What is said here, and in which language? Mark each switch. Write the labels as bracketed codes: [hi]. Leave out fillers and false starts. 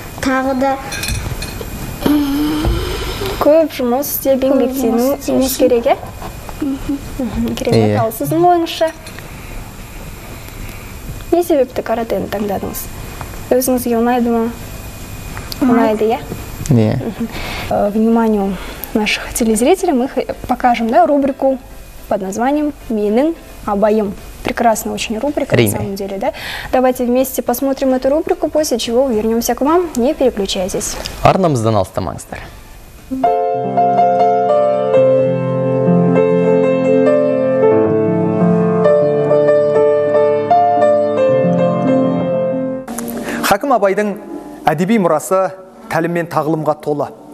[kk] Тағы да көп жұмыс істеп еңбектену керек. Керемет, ал сіздің ойыңызша не себепті каратэні таңдадыңыз? Өзіңізге ұнайды ма? Ұнайды, иә? Не. [ru] Вниманию наших телезрителей, мы покажем рубрику под названием «Менің абайым». Прекрасная очень рубрика, Риме, на самом деле, да? Давайте вместе посмотрим эту рубрику, после чего вернемся к вам. Не переключайтесь. [kk] Арнамыздан алыстамаңыздар. Хакім Абайдың әдеби мұрасы тәліммен тағылымға толы.